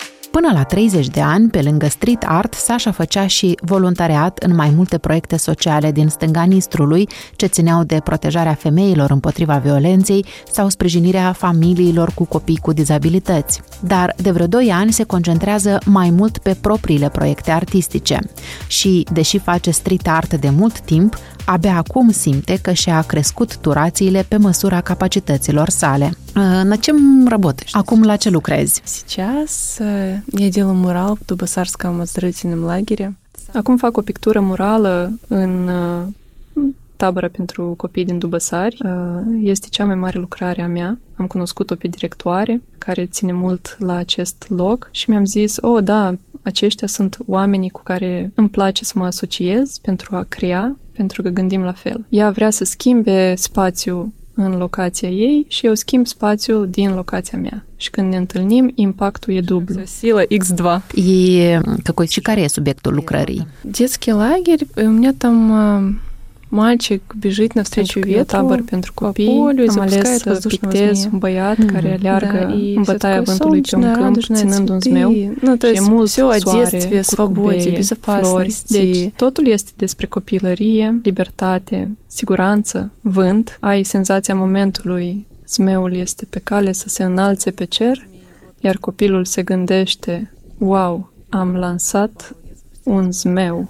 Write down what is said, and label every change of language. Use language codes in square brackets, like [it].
[ro] Până la 30 de ani, pe lângă street art, Sasha făcea și voluntariat în mai multe proiecte sociale din Stânga Nistrului, ce țineau de protejarea femeilor împotriva violenței sau sprijinirea familiilor cu copii cu dizabilități. Dar de vreo 2 ani se concentrează mai mult pe propriile proiecte artistice. Și, deși face street art de mult timp, abia acum simte că și-a crescut turațiile pe măsura capacităților sale. [ru] На чем работаешь? [ro] Acum la ce lucrezi? [ru] Сейчас я делаю мурал в Дубасарском оздоровительном лагере. [ro] Acum fac o pictură murală în tabără pentru copii din Dubăsari. Este cea mai mare lucrare a mea. Am cunoscut-o pe directoare care ține mult la acest loc și mi-am zis, oh, da, aceștia sunt oamenii cu care îmi place să mă asociez pentru a crea, pentru că gândim la fel. Ea vrea să schimbe spațiul în locația ei și eu schimb spațiul din locația mea. Și când ne întâlnim, impactul e dublu. Sila X2. Și care e subiectul lucrării? [ru] Детский лагерь. У меня там мальчик бежит навстречу ветру, [ro] pentru copii. Am ales să pictez un băiat care aleargă în bătaia vântului pe un câmp, ținând un zmeu. Și e mult soare, curcubeie, flori. Deci totul este despre copilărie, libertate, siguranță, vânt. Ai senzația momentului, zmeul este pe cale să se înalțe pe cer, iar copilul se gândește, wow, am lansat un zmeu.